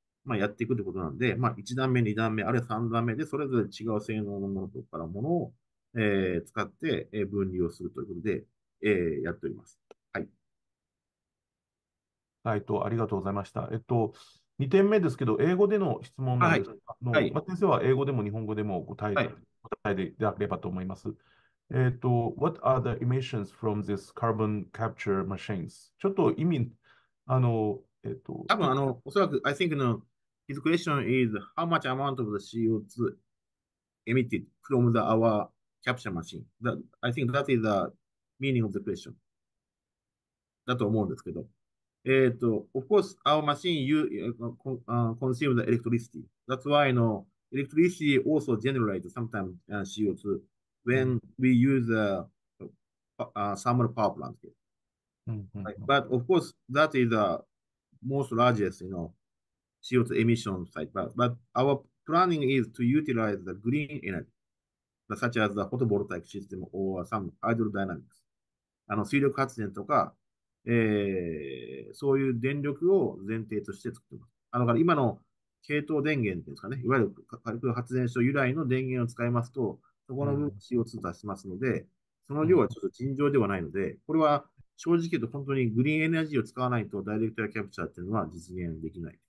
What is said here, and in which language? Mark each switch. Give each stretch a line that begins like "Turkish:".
Japanese: まあ、やっていくということなんで、まあ、1段目、2段目、あるいは3段目で、それぞれ違う性能のものとかのものを、使って、分離をするということで、やっております。ありがとうございました。2点目ですけど、英語での質問なんですが、まあ、先生は英語でも日本語でもお答えでいただければと思います。
English: What are the emissions from this carbon capture machines?
Japanese: ちょっと意味、多分ちょっと。おそらく、
English: I think の his question is how much amount of the CO2 emitted from the our capture machine? I think that is the meaning of the question.
Japanese: だと思うんですけど。
English: Of course, our machine consumes the electricity. That's why electricity also generates sometimes CO2 when we use a thermal power plant. But of course, that is a most largest, CO2 emission site. But our planning is to utilize the green energy, such as the photovoltaic system or some hydrodynamics.
Japanese: 水力発電とか、そういう電力を前提として作ってます。だから今の系統電源ですかね、いわゆる火力発電所由来の電源を使いますと、そこの部分 CO2 出しますので、その量はちょっと尋常ではないので、これは正直言うと本当にグリーンエネルギーを使わないとダイレクトキャプチャーっていうのは実現できない。